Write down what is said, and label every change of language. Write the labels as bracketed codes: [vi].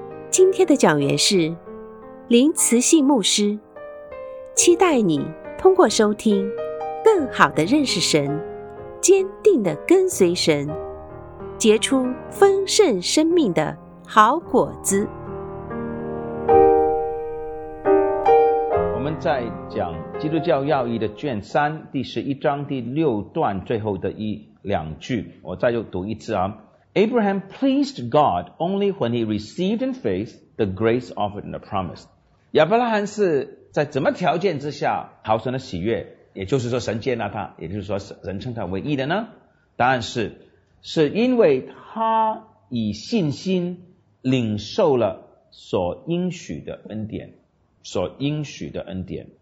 [zh] 今天的讲员是林慈信牧师，期待你通过收听更好地认识神，坚定地跟随神，结出丰盛生命的好果子。我们在讲基督教要义的卷三第十一章第六段最后的一两句，我再又读一次啊。 [en] Abraham pleased God only when he received in faith the grace offered in the promise. [zh] 亚伯拉罕是在怎么条件之下讨神的喜悦，也就是说神接纳他，也就是说神称他为义的呢？答案是因为他以信心领受了所应许的恩典，所应许的恩典。